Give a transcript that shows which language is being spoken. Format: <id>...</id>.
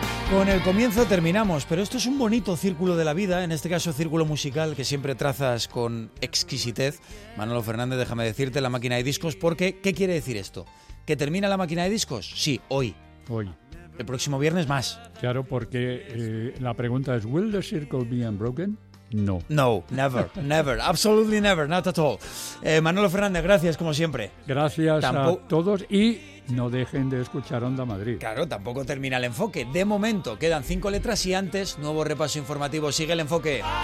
<es>Con el comienzo terminamos, pero esto es un bonito círculo de la vida, en este caso círculo musical que siempre trazas con exquisitez. Manolo Fernández, déjame decirte, la máquina de discos, porque ¿qué quiere decir esto? ¿Que termina la máquina de discos? Sí, hoy. Hoy. El próximo viernes más. Claro, porque la pregunta es,</es> <en>¿will the circle be unbroken? No. No, never, never, absolutely never, not at all.</en> <es>Manolo Fernández, gracias como siempre. Gracias a todos y no dejen de escuchar Onda Madrid. Claro, tampoco termina el enfoque. De momento quedan 5 letras y antes, nuevo repaso informativo, sigue el enfoque.</es>